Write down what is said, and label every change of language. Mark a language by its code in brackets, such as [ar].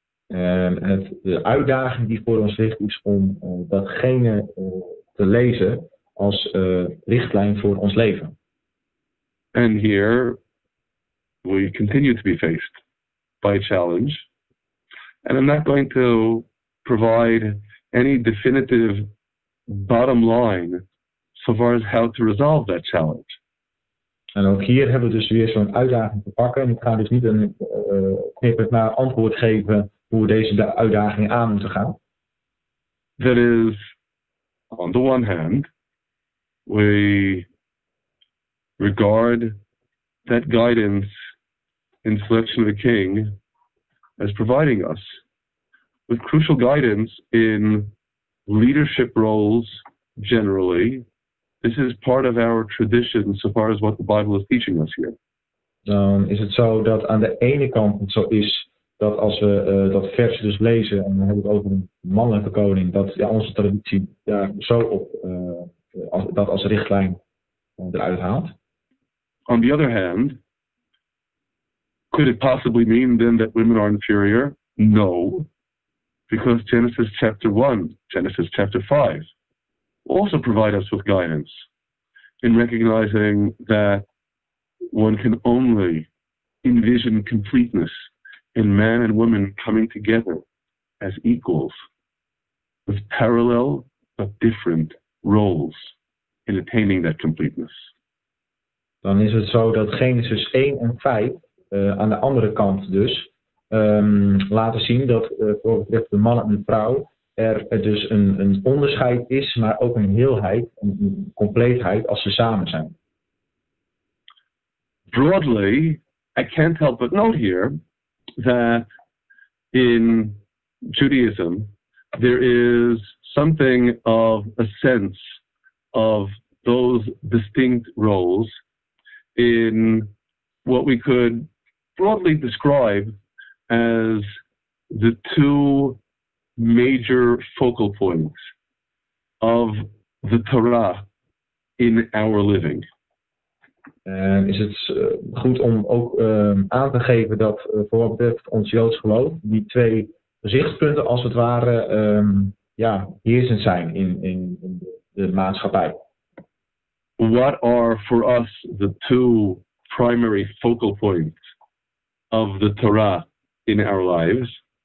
[nl] De uitdaging die voor ons ligt is om datgene te lezen als richtlijn voor ons leven. [en] And here we continue to be faced by a challenge. And I'm not going to provide any definitive bottom line so far as how to resolve that challenge. [nl] En ook hier hebben we dus weer zo'n uitdaging te pakken. En ik ga dus niet een knippert naar antwoord geven hoe we deze uitdaging aan moeten gaan. [en] That is, on the one hand, we regard that guidance in selection of the king as providing us with crucial guidance in leadership roles generally. This is part of our tradition so far as what the Bible is teaching us here. [nl] Dan is het zo dat aan de ene kant het zo is dat als we dat vers dus lezen en dan hebben we het over een mannelijke koning, dat ja, onze traditie daar zo op dat als richtlijn eruit haalt. [en] On the other hand, could it possibly mean then that women are inferior? No, because Genesis chapter 1, Genesis chapter 5 also provide us with guidance in recognizing that one can only envision completeness in man and woman coming together as equals with parallel but different roles in attaining that completeness. [nl] Dan is het zo dat Genesis 1 en 5 aan de andere kant dus laten zien dat voor wat betreft de man en de vrouw er dus een onderscheid is, maar ook een heelheid, een compleetheid als ze samen zijn. [en] Broadly, I can't help but note here that in Judaism there is something of a sense of those distinct roles in what we could broadly describe as the two major focal points of the Torah in our living. [nl] En is het goed om ook aan te geven dat voor wat betreft ons Joods geloof die twee gezichtspunten als het ware heersend zijn in de maatschappij. [en] What are for us the two primary focal points of the Torah in our lives?